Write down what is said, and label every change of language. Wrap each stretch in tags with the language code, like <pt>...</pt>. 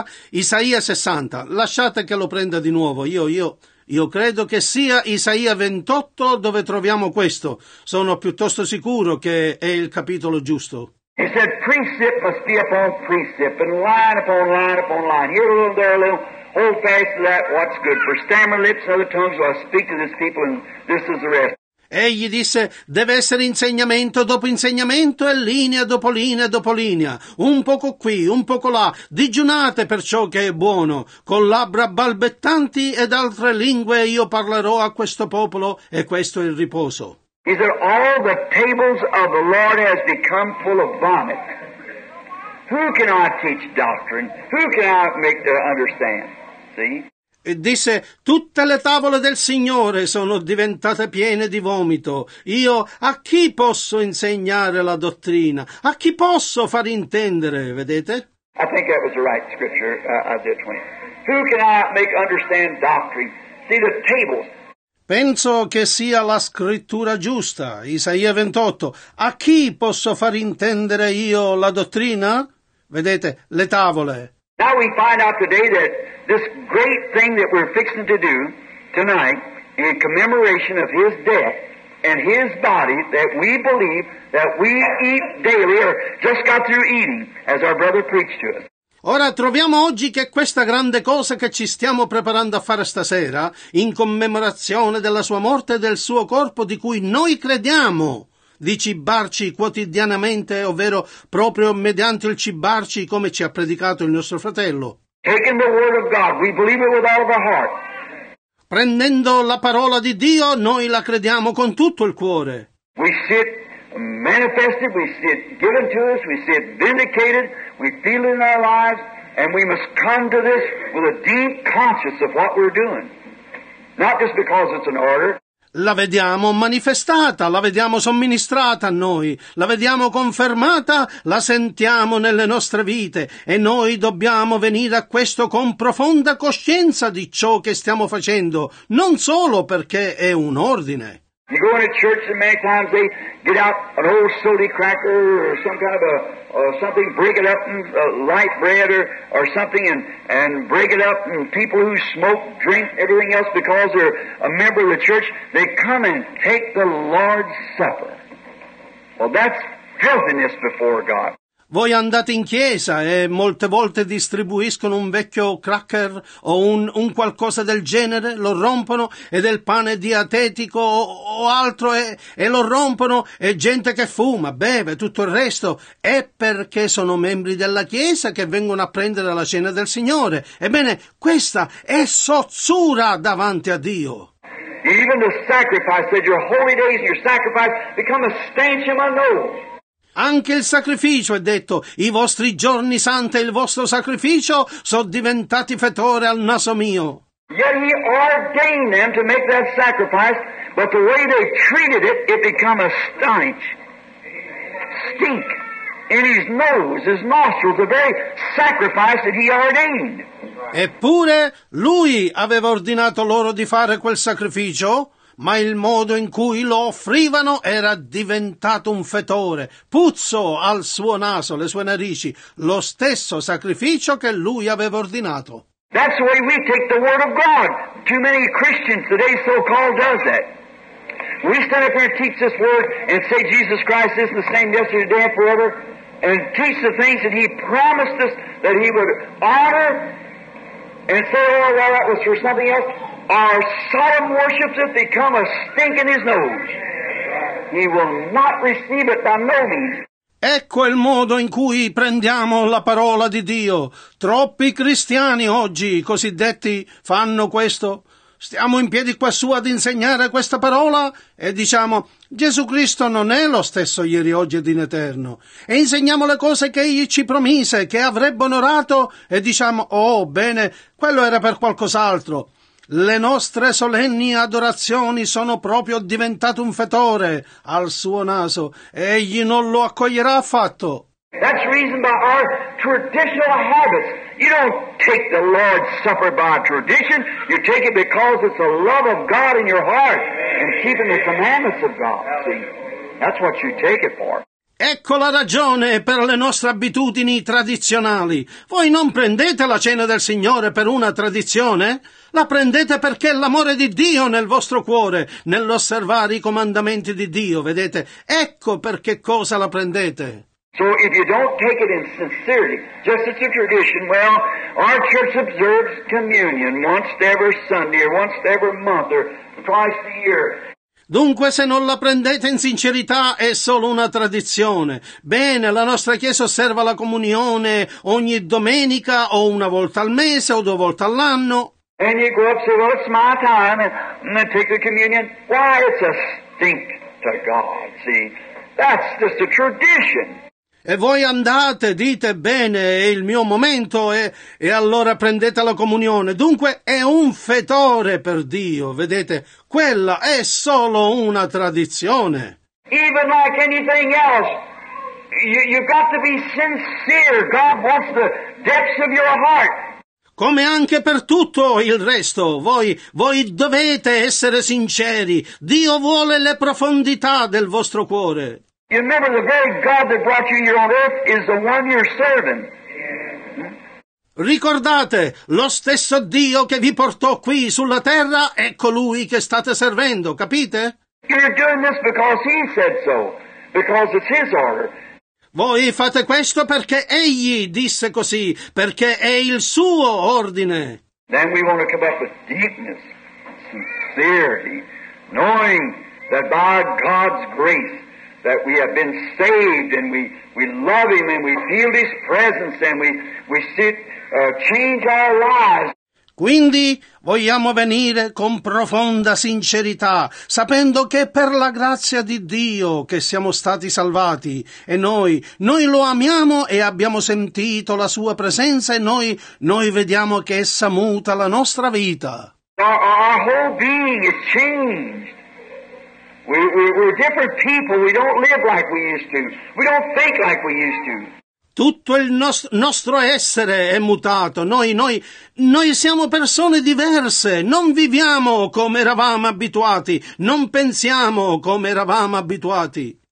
<it>Isaia 60, lasciate che lo prenda di nuovo, io credo che sia Isaia 28 dove troviamo questo, sono piuttosto sicuro che è il capitolo giusto.</it> <en>He said, precept must be upon precept, and line upon line upon line, here a little, there a little, hold fast to that, what's good, for stammer lips and other tongues while I speak to this people, and this is the rest.</en> <it>Egli disse, deve essere insegnamento dopo insegnamento e linea dopo linea dopo linea, un poco qui, un poco là, digiunate per ciò che è buono, con labbra balbettanti ed altre lingue io parlerò a questo popolo e questo è il riposo.</it> <en>He said, all the tables of the Lord has become full of vomit. Who can I teach doctrine? Who can I make them understand? See?</en> <it>E disse, tutte le tavole del Signore sono diventate piene di vomito. Io a chi posso insegnare la dottrina? A chi posso far intendere? Vedete?</it> <en>I think that was the right scripture, Isaiah 20. Who can I make understand doctrine? See the tables.</en> <it>Penso che sia la scrittura giusta, Isaia 28. A chi posso far intendere io la dottrina? Vedete, le tavole.</it> <en>Now we find out today that this great thing that we're fixing to do tonight in commemoration of his death and his body that we believe that we eat daily or just got through eating as our brother preached to us.</en> <it>Ora troviamo oggi che questa grande cosa che ci stiamo preparando a fare stasera in commemorazione della sua morte e del suo corpo di cui noi crediamo di cibarci quotidianamente, ovvero proprio mediante il cibarci, come ci ha predicato il nostro fratello.</it> <en>Taking the word of God, we believe it with all of our heart.</en> <it>Prendendo la parola di Dio, noi la crediamo con tutto il cuore.</it> <en>We see it manifested, we see it given to us, we see it vindicated, we feel it in our lives, and we must come to this with a deep conscience of what we're doing. Not just because it's an order.</en> <it>La vediamo manifestata, la vediamo somministrata a noi, la vediamo confermata, la sentiamo nelle nostre vite e noi dobbiamo venire a questo con profonda coscienza di ciò che stiamo facendo, non solo perché è un ordine.</it> <en>You go into church and many times they get out an old soda cracker or some kind of a something, break it up in light bread or something and break it up and people who smoke, drink, everything else because they're a member of the church, they come and take the Lord's Supper. Well, that's filthiness before God.</en> <it>Voi andate in chiesa e molte volte distribuiscono un vecchio cracker o un qualcosa del genere, lo rompono ed è il pane dietetico o altro e lo rompono e gente che fuma, beve, tutto il resto. È perché sono membri della chiesa che vengono a prendere la cena del Signore. Ebbene, questa è sozzura davanti a Dio.</it> <en>Even the sacrifice that your holy days and your sacrifice become a stench in my nose.</en> <it>Anche il sacrificio, è detto, i vostri giorni santi e il vostro sacrificio sono diventati fetore al naso mio.</it> <en>Yet he ordained them to make that sacrifice, but the way they treated it, it became a stench. Stink in his nose, his nostrils, the very sacrifice that he ordained.</en> <it>Eppure lui aveva ordinato loro di fare quel sacrificio, ma il modo in cui lo offrivano era diventato un fetore, puzzo al suo naso, le sue narici, lo stesso sacrificio che lui aveva ordinato.</it> <en>That's the way we take the word of God. Too many Christians today, so-called, does that. We stand up here and teach this word and say Jesus Christ is the same yesterday, today, and forever, and teach the things that he promised us that he would honor, and say, oh, well, that was for something else. Our Sodom worships it, become a stink in his nose. He will not receive it by no means.</en> <it>Ecco il modo in cui prendiamo la parola di Dio. Troppi cristiani oggi, cosiddetti, fanno questo. Stiamo in piedi quassù ad insegnare questa parola e diciamo, Gesù Cristo non è lo stesso ieri, oggi ed in eterno. E insegniamo le cose che Egli ci promise, che avrebbe onorato, e diciamo, oh bene, quello era per qualcos'altro. Le nostre solenni adorazioni sono proprio diventate un fetore al suo naso. Egli non lo accoglierà affatto.</it> <en>That's reason by our traditional habits. You don't take the Lord's Supper by tradition. You take it because it's the love of God in your heart and keeping the commandments of God. See, that's what you take it for.</en> <it>Ecco la ragione per le nostre abitudini tradizionali. Voi non prendete la cena del Signore per una tradizione? La prendete perché è l'amore di Dio nel vostro cuore, nell'osservare i comandamenti di Dio, vedete? Ecco perché cosa la prendete.</it> <en>So if you don't take it in sincerity, just as a tradition, well, our church observes communion once every Sunday or once every month or twice a year.</en> <it>Dunque, se non la prendete in sincerità, è solo una tradizione. Bene, la nostra Chiesa osserva la comunione ogni domenica, o una volta al mese, o due volte all'anno.</it> <en>And you go up and say, well, it's my time, and take the communion. Why, it's a stink to God, see. That's just a tradition.</en> <it>E voi andate, dite, bene, è il mio momento, e allora prendete la comunione. Dunque, è un fetore per Dio, vedete? Quella è solo una tradizione.</it> <en>Even like anything else, you've got to be sincere. God wants the depths of your heart.</en> <it>Come anche per tutto il resto, voi dovete essere sinceri. Dio vuole le profondità del vostro cuore.</it> <en>You remember the very God that brought you here on earth is the one you're serving.</en> <it>Ricordate, lo stesso Dio che vi portò qui sulla terra è colui che state servendo, capite?</it> <en>You're doing this because he said so, because it's his order.</en> <it>Voi fate questo perché egli disse così, perché è il suo ordine.</it> <en>Then we want to come up with deepness, sincerity, knowing that by God's grace, that we have been saved and we love him and we feel his presence and we sit change our lives.</en> <it>Quindi vogliamo venire con profonda sincerità, sapendo che è per la grazia di Dio che siamo stati salvati, e noi lo amiamo e abbiamo sentito la sua presenza, e noi vediamo che essa muta la nostra vita.</it> <en>Our whole being is changed. We're different people. We don't live like we used to. We don't think like we used to.</en> <it>Tutto il nostro essere è mutato. Noi siamo persone diverse. Non viviamo come eravamo abituati. Non pensiamo come eravamo abituati.</it>